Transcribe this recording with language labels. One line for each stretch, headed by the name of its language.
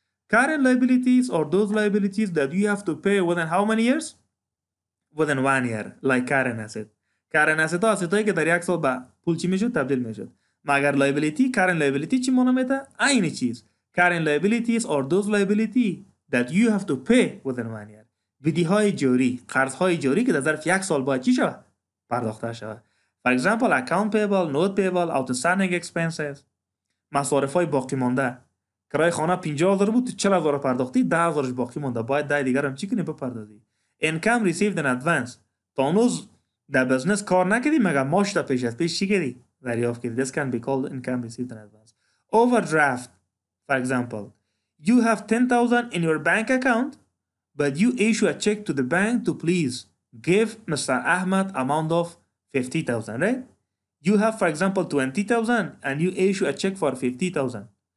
English: Current liabilities are those liabilities that you have to pay within how many years? Within 1 year, like current asset. Current asset is asset that you have to pay for 1 year. But liability, current liability, what is it? Same thing. Current liabilities are those liability that you have to pay within 1 year.
Persian: بدهی های جاری، قرض های جاری که در ظرف یک سال باید چی شود؟ پرداخته شود.
English: For example, account payable, note payable, outstanding expenses.
Persian: مصارف های باقی مانده. کرای خانه 50,000 بود، 40,000 پرداختی، 10,000ش باقی مانده. باید 10 دیگر هم چیکنی بپردازی.
English: Income received in advance.
Persian: تا هنوز در بزنس کار نکردی، مگر ماش در پیش از پیش چی کردی؟ دریافت کردی.
English: This can be called income received in advance. Overdraft, for example. You have 10,000 in your bank account, but you issue a check to the bank to please give Mr. Ahmed amount of 50,000, right? You have, for example, 20,000 and you issue a check for 50,000.